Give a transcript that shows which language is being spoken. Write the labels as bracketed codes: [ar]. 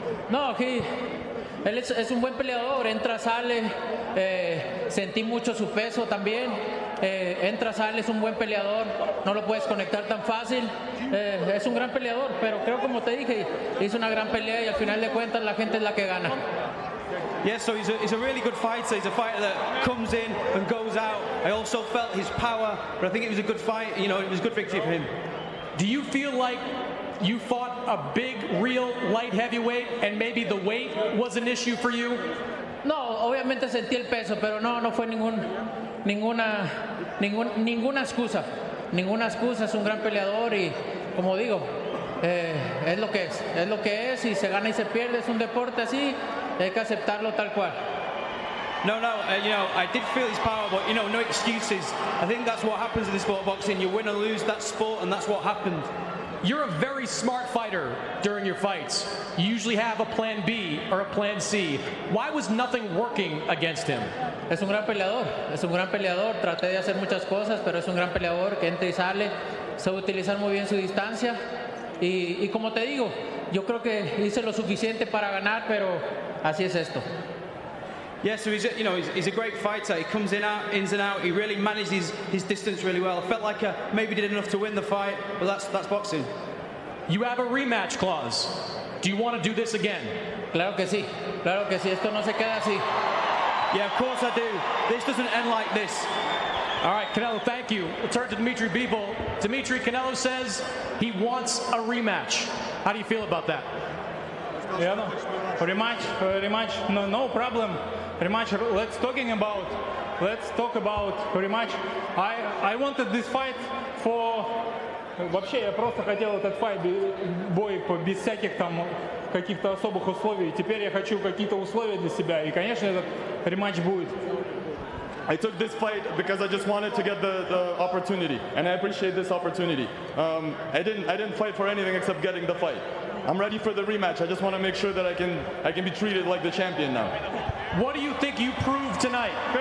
[es] No, él es un buen peleador. Entra, sale. Sentí mucho su peso también. Entra, sale. Es un buen peleador. No lo puedes conectar tan fácil. Es un gran peleador, pero creo como te dije, hizo una gran pelea y al final de cuentas la gente es la que gana. [en] Yes, so he's a really good fighter. He's a fighter that comes in and goes out. I also felt his power, but I think it was a good fight. You know, it was a good victory for him. Do you feel like you fought a big, real light heavyweight, and maybe the weight was an issue for you? [es] No, obviamente sentí el peso, pero no fue ninguna excusa. Ninguna excusa. Es un gran peleador, y como digo, es lo que es. Es lo que es, y se gana y se pierde. Es un deporte así. Hay que aceptarlo tal cual. [en] No, you know, I did feel his power, but, you know, no excuses. I think that's what happens in the sport of boxing. You win or lose, that sport, and that's what happened. You're a very smart fighter during your fights. You usually have a plan B or a plan C. Why was nothing working against him? [es] Es un gran peleador. Es un gran peleador. Traté de hacer muchas cosas, pero es un gran peleador que entra y sale. Sabe utilizar muy bien su distancia. Y como te digo, yo creo que hice lo suficiente para ganar, pero... Así es esto. [en] Yeah, so he's a great fighter. He comes in, out, ins and out. He really manages his distance really well. I felt like maybe did enough to win the fight, but that's boxing. You have a rematch clause. Do you want to do this again? [es] Claro que sí. Claro que sí. Esto no se queda así. [en] Yeah, of course I do. This doesn't end like this. All right, Canelo, thank you. We'll turn to Dimitri Bivol. Dimitri, Canelo says he wants a rematch. How do you feel about that? Yeah, no. Rematch, no problem. Rematch, let's talk about rematch. I wanted this fight for... [ru] Вообще, я просто хотел этот fight, бой без всяких там каких-то особых условий. Теперь я хочу какие-то условия для себя, и, конечно, этот рематч будет. [en] I took this fight because I just wanted to get the opportunity, and I appreciate this opportunity. I didn't fight for anything except getting the fight. I'm ready for the rematch. I just want to make sure that I can be treated like the champion now. What do you think you proved tonight?